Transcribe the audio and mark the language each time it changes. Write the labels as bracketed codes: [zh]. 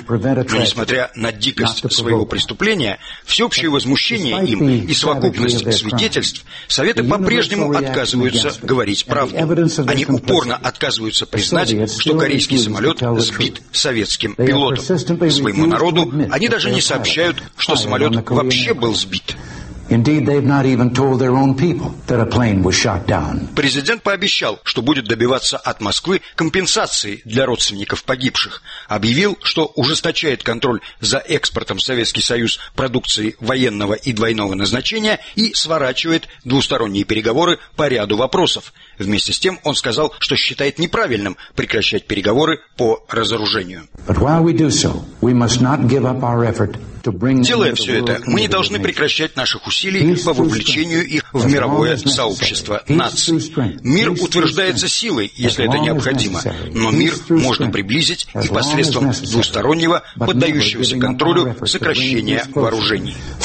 [ru] Но несмотря на дикость своего преступления, всеобщее возмущение им и совокупность свидетельств, Советы по-прежнему отказываются говорить правду. Они упорно отказываются признать, что корейский самолет сбит советским пилотом. Своему народу они даже не сообщают, что самолет вообще был сбит. [en] Indeed, they've not even told their own people that a plane was shot down. [ru] Президент пообещал, что будет добиваться от Москвы компенсации для родственников погибших. Объявил, что ужесточает контроль за экспортом в Советский Союз продукции военного и двойного назначения и сворачивает двусторонние переговоры по ряду вопросов. Вместе с тем он сказал, что считает неправильным прекращать переговоры по разоружению. [en] But while we do so, we must not give up our effort. [ru] Делая все это, мы не должны прекращать наших усилий по вовлечению их в мировое сообщество наций. Мир утверждается силой, если это необходимо, но мир можно приблизить и посредством двустороннего, поддающегося контролю сокращения вооружений.